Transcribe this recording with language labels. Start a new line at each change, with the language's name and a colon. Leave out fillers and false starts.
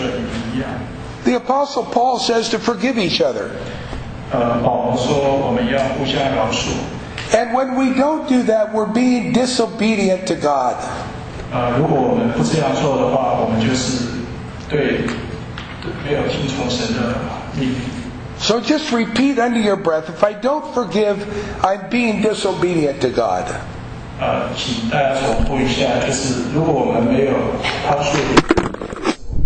Chinese: 一切苦毒、恩恨、愤怒、喧嚷、闹跟诽谤，一切恶毒，都当从你们中间除掉，一要恩慈善待，存怜悯的心，彼此饶恕，正如上帝在基督里饶恕了你们一样。
English: The Apostle Paul says to forgive each other.
Chinese: 保罗说我们要互相饶恕。
English: And when we don't do that, we're being disobedient to God.
Chinese: 如果我们不这样做的话，我们就是对没有听从神的命令。
English: So just repeat under your breath, if I don't forgive, I'm being disobedient to God.
Chinese: 请大家重复一下，就是如果我们没有饶恕。